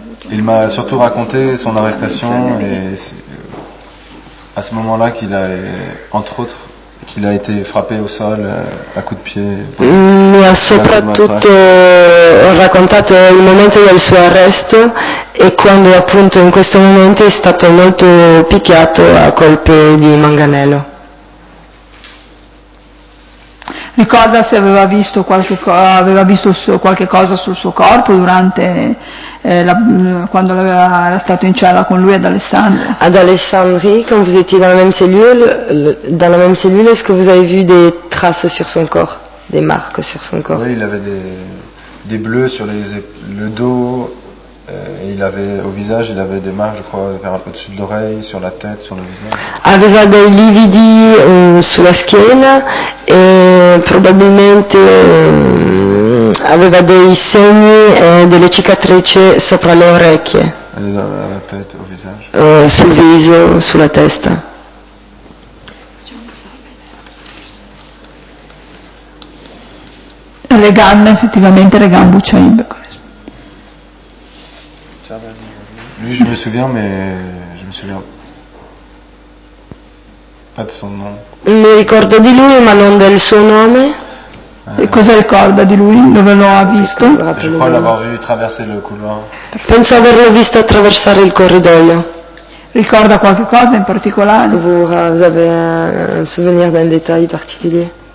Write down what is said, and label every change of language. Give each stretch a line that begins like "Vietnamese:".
French: Il m'a surtout raconté son arrestation et à ce moment-là qu'il a, entre autres, qu'il a été frappé au sol à coups de pied.
Italian: Mi ha soprattutto raccontato il momento del suo arresto e quando appunto in questo momento è stato molto picchiato a colpi di manganello. ricorda se aveva visto qualche cosa sul suo corpo durante quando era stato in cella con lui ad Alessandria.
French: Ad Alessandria, quand vous étiez dans la même cellule, est-ce que vous avez vu des traces sur son corps, des marques sur son corps? Oui, il avait des bleus sur le dos. Il avait au visage, il avait des marques, je crois, vers au-dessus de l'oreille, sur la tête, sur le visage.
Italian: Aveva dei lividi sulla schiena e probabilmente aveva dei segni, delle cicatrici sopra le orecchie. Alla
French: tête, au visage.
Italian: Sul viso, sulla testa. Le gambe, effettivamente, le gambe c'è.
French: Lui, je me souviens, mais je me souviens pas de son nom.
Italian: Mi ricordo di lui, ma non del suo nome. Cosa ricorda di lui? Dove lo ha visto?
French: Je crois l'avoir vu traverser le couloir.
Italian: Penso averlo visto attraversare il corridoio. Ricorda qualche cosa in particolare?
French: Est-ce que vous avez un souvenir d'un détail particulier?